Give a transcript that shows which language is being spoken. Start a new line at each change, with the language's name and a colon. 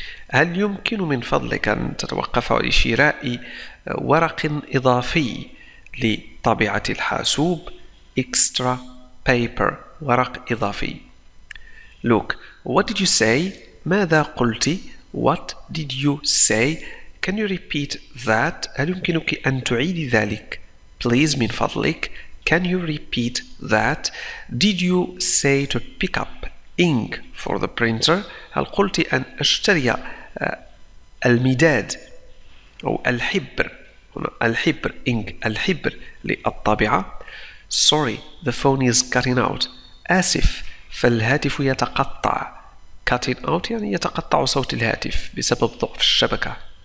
Arabic: هل يمكن من فضلك أن تتوقف لشراء ورق إضافي لطابعة الحاسوب؟
English: Extra paper.
Arabic: ورق إضافي.
English: Luke, what did you say?
Arabic: ماذا قلت؟
English: What did you say? Can you repeat that?
Arabic: هل يمكنك أن تعيد ذلك؟
English: Please,
Arabic: من فضلك.
English: Can you repeat that? Did you say to pick up ink for the printer?
Arabic: هل قلت أن أشتري المداد أو الحبر؟ هنا الحبر, ink, الحبر للطابعة.
English: Sorry, the phone is cutting out.
Arabic: آسف, فالهاتف يتقطع. Cutting out يعني يتقطع صوت الهاتف بسبب ضعف الشبكة.